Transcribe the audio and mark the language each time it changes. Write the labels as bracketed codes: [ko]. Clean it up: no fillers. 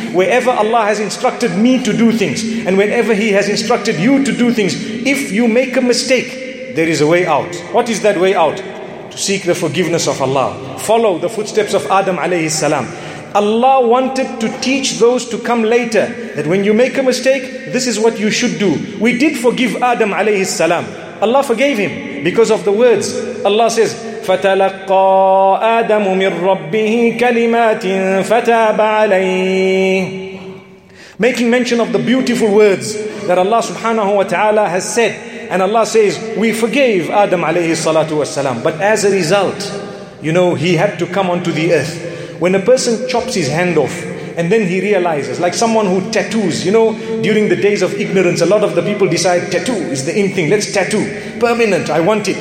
[en] Wherever Allah has instructed me to do things, and whenever He has instructed you to do things, if you make a mistake, there is a way out. What is that way out? To seek the forgiveness of Allah. Follow the footsteps of Adam alayhi salam. Allah wanted to teach those to come later that when you make a mistake, this is what you should do. We did forgive Adam alayhi salam. Allah forgave him because of the words. Allah says, [ar] فَتَلَقَّى آدَمُ مِن رَّبِّهِ كَلِمَاتٍ فَتَابَ عَلَيْهِ. [en] Making mention of the beautiful words that Allah subhanahu wa ta'ala has said. And Allah says, we forgave Adam alayhi salatu wasalam. But as a result, you know, he had to come onto the earth. When a person chops his hand off and then he realizes, like someone who tattoos, you know, during the days of ignorance, a lot of the people decide tattoo is the in thing. Let's tattoo. Permanent. I want it.